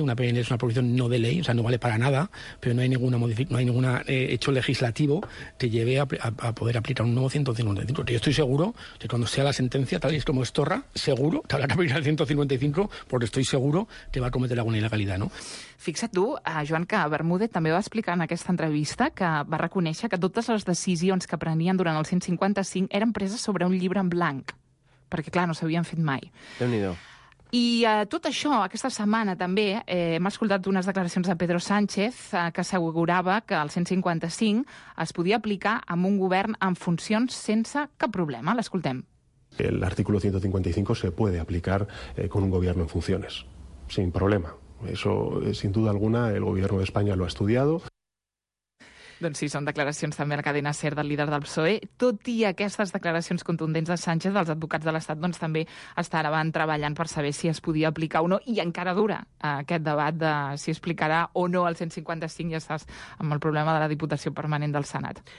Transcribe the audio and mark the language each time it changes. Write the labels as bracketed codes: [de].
[es] Una PNL es una proposición no de ley, o sea, no vale para nada, pero no hay ninguna hecho legislativo que lleve a poder aplicar un nuevo 155. Yo estoy seguro que cuando sea la sentencia, tal y como es Torra, seguro que habrá que aplicar el 155, porque estoy seguro que va a cometer alguna ilegalidad, ¿no? [ca] Fixa't tu, Joan, que Bermúdez també va explicar en aquesta entrevista que va reconèixer que totes les decisions que prenien durant el 155 eren preses sobre un llibre en blanc. Perquè, clar, no s'havien fet mai. Déu-n'hi-do. I tot això, aquesta setmana també, hem escoltat unes declaracions de Pedro Sánchez que assegurava que el 155 es podia aplicar amb un govern en funcions sense cap problema. L'escoltem. [es] El artículo 155 se puede aplicar con un gobierno en funciones, sin problema. Eso, sin duda alguna, el gobierno de España lo ha estudiado. [ca] Doncs sí, són declaracions també a la cadena SER del líder del PSOE. Tot i aquestes declaracions contundents de Sánchez, els advocats de l'Estat doncs, també estaven treballant per saber si es podia aplicar o no, i encara dura aquest debat de si explicarà o no el 155, ja saps, amb el problema de la Diputació Permanent del Senat.